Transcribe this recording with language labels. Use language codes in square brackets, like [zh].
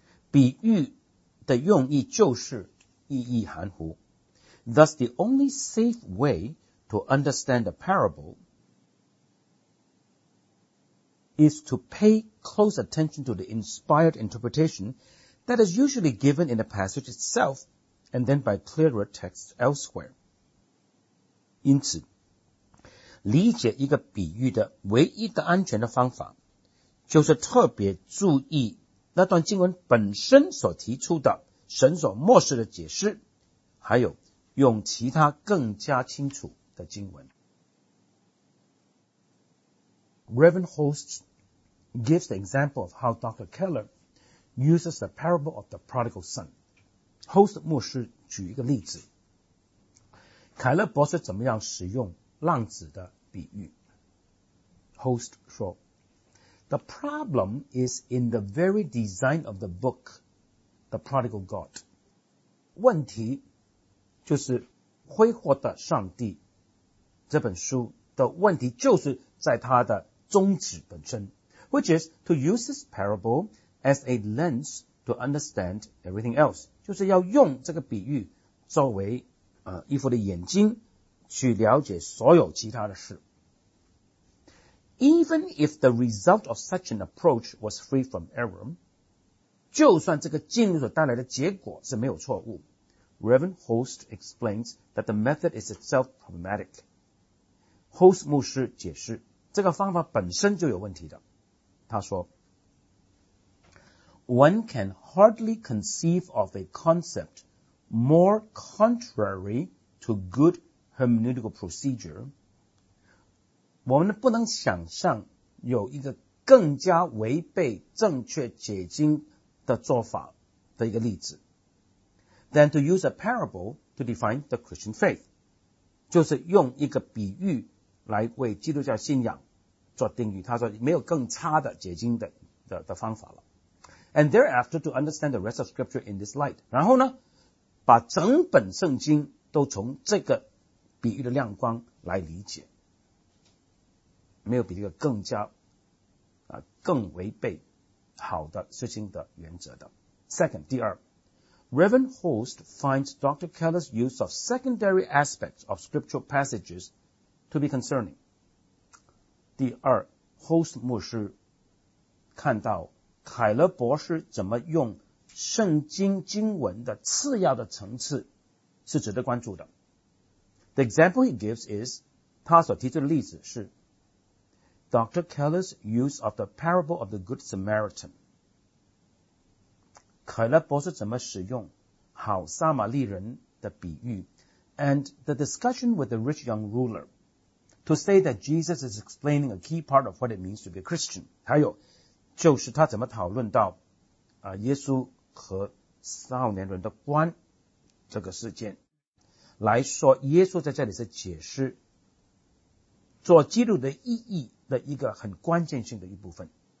[zh] 比喻的用意就是意义含糊。 [en] Thus, the only safe way to understand a parable is to pay close attention to the inspired interpretation that is usually given in the passage itself and then by clearer texts elsewhere. [zh] 因此理解一个比喻的唯一的安全的方法，就是特别注意那段经文本身所提出的神所漠视的解释，还有用其他更加清楚的经文。 [en] Reverend Host gives the example of how Dr. Keller uses the parable of the prodigal son. [zh] Host 牧师举一个例子，凯勒博士怎么样使用浪子的比喻。 [en] Host [zh] 说， [en] The problem is in the very design of the book, The Prodigal God. [zh] 问题就是挥霍的上帝这本书的问题就是在它的宗旨本身， [en] which is to use this parable as a lens to understand everything else. [zh] 就是要用这个比喻作为一副的眼睛去了解所有其他的事。 [en] Even if the result of such an approach was free from error, [zh] 就算这个经文所带来的结果是没有错误， [en] Reverend Host explains that the method is itself problematic. [zh] Host 牧师解释，这个方法本身就有问题的。 [en] 他说， One can hardly conceive of a concept more contrary to good hermeneutical procedure, [zh] 我们不能想象有一个更加违背正确解经的做法的一个例子。 [en] than to use a parable to define the Christian faith. [zh] 就是用一个比喻来为基督教信仰做定义。他说没有更差的解经 的方法了。 [en] And thereafter to understand the rest of scripture in this light. [zh] 然后呢把整本圣经都从这个比喻的亮光来理解。没有比这个更加更违背好的事情的原则的。 [en] Second, [zh] 第二 [en] Reverend Host finds Dr. Keller's use of secondary aspects of scriptural passages to be concerning. [zh] 第二 Host 牧师看到凯勒博士怎么用圣经经文的次要的层次是值得关注的。 [en] The example he gives is, [zh] 他所提出的例子是 [en] Dr. Keller's use of the parable of the Good Samaritan. [zh] 凯勒博士怎么使用好撒玛利人的比喻 [en] and the discussion with the rich young ruler to say that Jesus is explaining a key part of what it means to be a Christian. [zh] 还有就是他怎么讨论到耶稣和少年人的关这个事件来说耶稣在这里是解释做基督的意义的一个很关键性的一部分。